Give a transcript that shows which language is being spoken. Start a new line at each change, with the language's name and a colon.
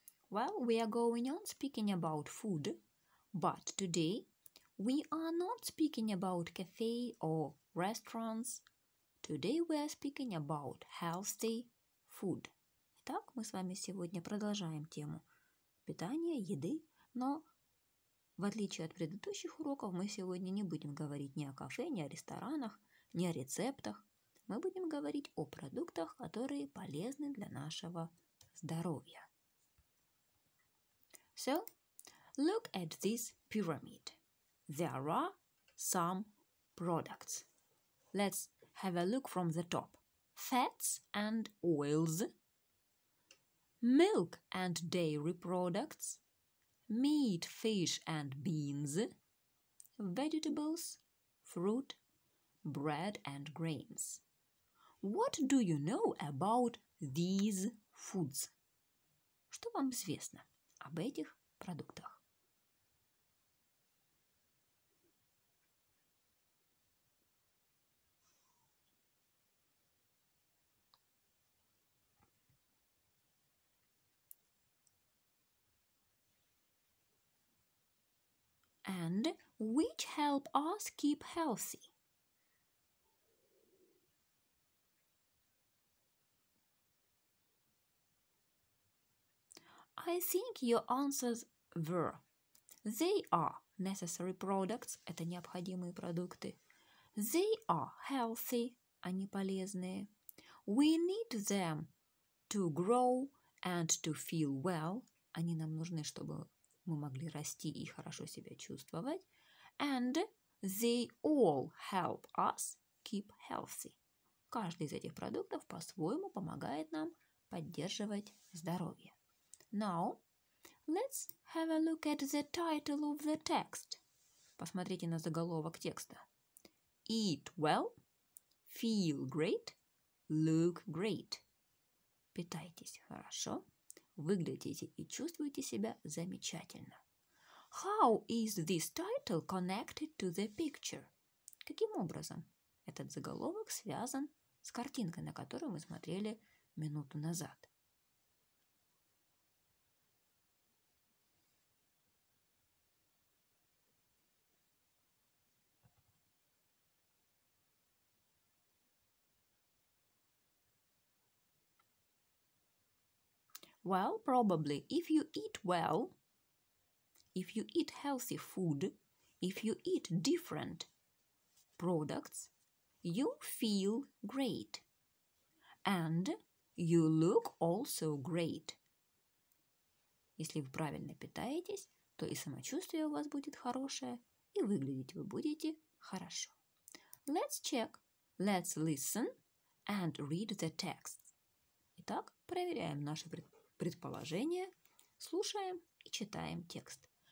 English: Well, we are going on speaking about food, but today we are not speaking about cafe or restaurants. Today we are speaking about healthy food.
Russian: Итак, мы с вами сегодня продолжаем тему питания, еды, но в отличие от предыдущих уроков мы сегодня не будем говорить ни о кафе, ни о ресторанах, ни о рецептах. Мы будем говорить о продуктах, которые полезны для нашего здоровья.
English: So, look at this pyramid. There are some products. Let's have a look from the top. Fats and oils, milk and dairy products, meat, fish and beans, vegetables, fruit, bread and grains. What do you know about these foods?
Russian: Что вам известно об этих продуктах?
English: And which help us keep healthy? I think your answers were. They are necessary products.
Russian: Это необходимые продукты.
English: They are healthy.
Russian: Они полезные.
English: We need them to grow and to feel well.
Russian: Они нам нужны, чтобы мы могли расти и хорошо себя чувствовать.
English: And they all help us keep healthy.
Russian: Каждый из этих продуктов по-своему помогает нам поддерживать здоровье.
English: Now, let's have a look at the title of the text.
Russian: Посмотрите на заголовок текста.
English: Eat well, feel great, look great.
Russian: Питайтесь хорошо, выглядите и чувствуйте себя замечательно.
English: How is this title connected to the picture?
Russian: Каким образом этот заголовок связан с картинкой, на которую мы смотрели минуту назад?
English: Well, probably, if you eat well, if you eat healthy food, if you eat different products, you feel great. And you look also great.
Russian: Если вы правильно питаетесь, то и самочувствие у вас будет хорошее, и выглядеть вы будете хорошо.
English: Let's check. Let's listen and read the text.
Russian: Итак, проверяем наши предположение, слушаем и читаем текст.